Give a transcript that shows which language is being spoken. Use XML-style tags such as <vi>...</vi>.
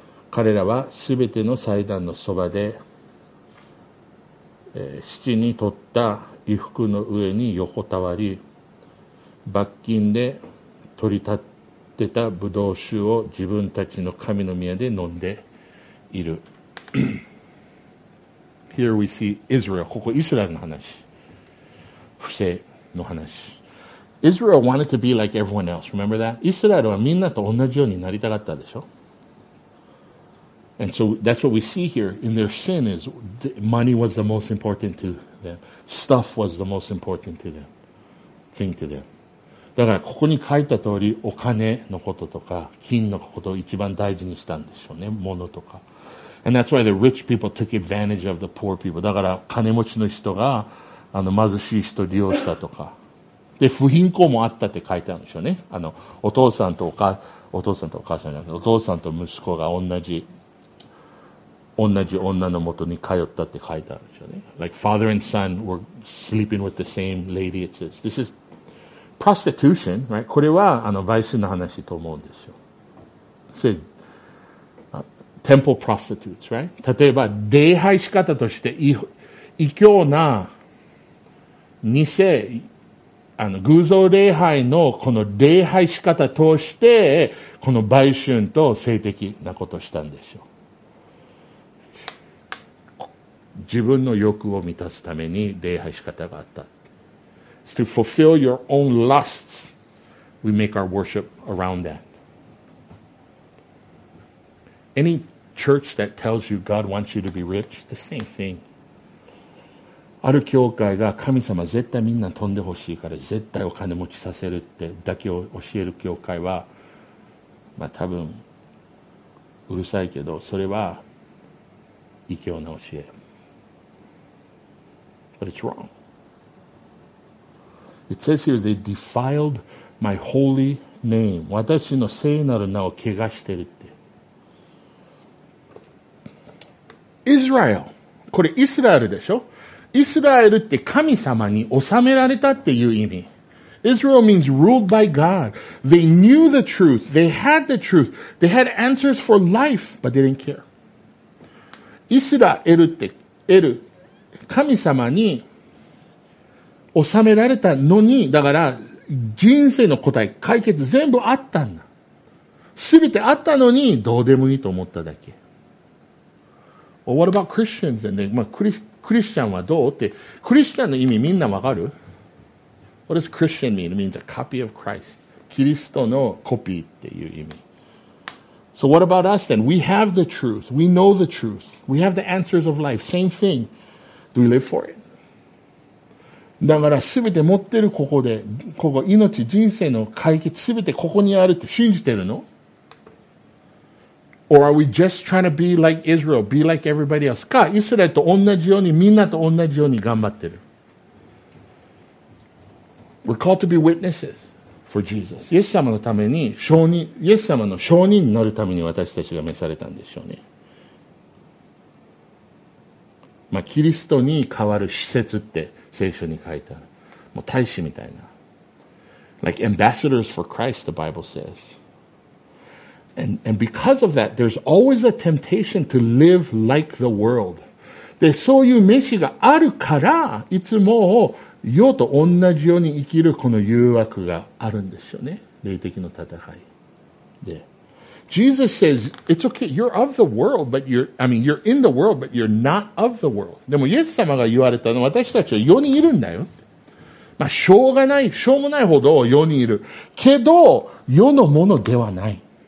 <ja>彼らはすべての祭壇のそばで、父に取った衣服の上に横たわり、罰金で取り立てたブドウ酒を自分たちの神の宮で飲んでいる。</ja> <en>Here we see Israel.</en> <ja>ここイスラエルの話。不正の話。</ja> <en>Israel wanted to be like everyone else. Remember that?</en> <ja>イスラエルはみんなと同じようになりたかったでしょ。</ja> <en>And so that's what we see here in their sin is money was the most important to them. Stuff was the most important to them. Thing to them.</en> <ja>だからここに書いた通りお金のこととか金のことを一番大事にしたんでしょうね。物とか。</ja> <en>And that's why the rich people took advantage of the poor people.</en> <ja>だから金持ちの人が貧しい人を利用したとか。で、不貧困もあったって書いてあるんでしょうね。お父さんとお父さんとお母さんじゃなくて、お父さんと息子が同じ女のもとに通ったって書いてあるんでしょうね。</ja> <en>Like father and son were sleeping with the same lady, it says. This is prostitution, right?</en> <ja>これは売春の話と思うんですよ。</ja> <en>It says, temple prostitutes, right?</en> <ja>例えば、礼拝仕方として異教な偽、偶像礼拝のこの礼拝仕方として、この売春と性的なことをしたんでしょう。自分の欲を満たすために礼拝仕方があった。</ja> <en>It's to fulfill your own lusts. We make our worship around that. Any church that tells you God wants you to be rich, the same thing.</en> <ja>ある教会が神様絶対みんな飛んでほしいから絶対お金持ちさせるってだけを教える教会は、まあ多分うるさいけど、それは異教な教え。</ja> <en>But it's wrong. It says here, they defiled my holy name.</en> <ja>私の聖なる名を汚してるって。</ja> <en>Israel.</en> <ja>これイスラエルでしょ？イスラエルって神様に治められたっていう意味。</ja> <en>Israel means ruled by God. They knew the truth. They had the truth. They had answers for life, but they didn't care.</en> <ja>イスラエルって、神様に治められたのに、だから人生の答え、解決全部あったんだ。すべてあったのに、どうでもいいと思っただけ。</ja> <en>Well, what about Christians? And then,</en> <ja>まあ、クリスチャンはどうって、クリスチャンの意味みんなわかる？</ja> <en>What does Christian mean? It means a copy of Christ.</en> <ja>キリストのコピーっていう意味。</ja> <en>So what about us then? We have the truth. We know the truth. We have the answers of life. Same thing. Do we live for it?</en> <ja>だから全て持ってるここで、ここ命、人生の解決全てここにあるって信じてるの？</ja> <en>Or are we just trying to be like Israel, be like everybody else?</en> <ja>か、イスラエルと同じように、みんなと同じように頑張ってる。</ja> <en>We're called to be witnesses for Jesus.</en> <ja>イエス様のために、証人、イエス様の証人になるために私たちが召されたんでしょうね。まあ、キリストに代わる施設って聖書に書いてある。もう大使みたいな。</ja> <en>Like ambassadors for Christ, the Bible says. And because of that, there's always a temptation to live like the world.</en> <ja>で、そういう召しがあるから、いつも、世と同じように生きるこの誘惑があるんですよね。霊的の戦いで。</ja> <en>Jesus says, it's okay, you're of the world, but you're, I mean, you're in the world, but you're not of the world.</en> <ja>でも、イエス様が言われたのは、私たちは世にいるんだよ。まあ、しょうがない、しょうもないほど世にいる。けど、世のものではない。</ja>